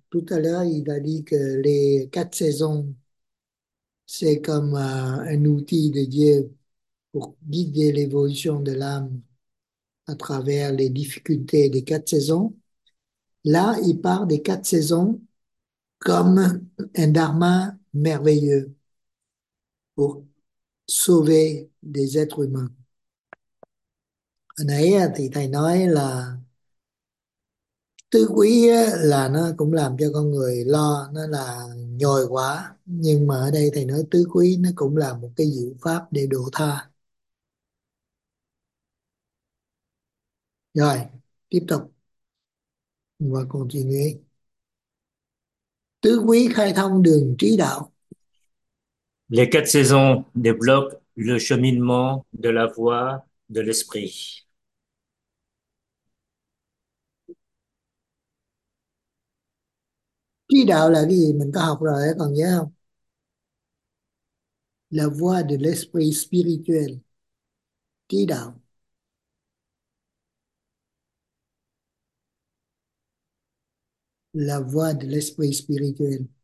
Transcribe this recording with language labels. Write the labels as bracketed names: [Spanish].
[French] Tout à l'heure, il a dit que les quatre saisons, c'est comme un outil de Dieu pour guider l'évolution de l'âme à travers les difficultés des quatre saisons. Là, il part des quatre saisons comme un dharma merveilleux pour sauver des êtres humains. [Vietnamese] Hồi nãy thì thầy nói là tứ quý là nó cũng làm cho con người lo, nó là nhồi quá, nhưng mà ở đây thầy nói tứ quý nó cũng là một cái diệu pháp để độ tha. Rồi tiếp tục, và còn chuyện nghĩ tứ quý khai thông đường trí đạo. [French] Les quatre saisons développent le cheminement de la voie de l'esprit. [Vietnamese] Trí đạo là cái gì mình có học rồi còn nhớ không? [French] La voie de l'esprit spirituel. Trí đạo. La voie de l'esprit spirituel.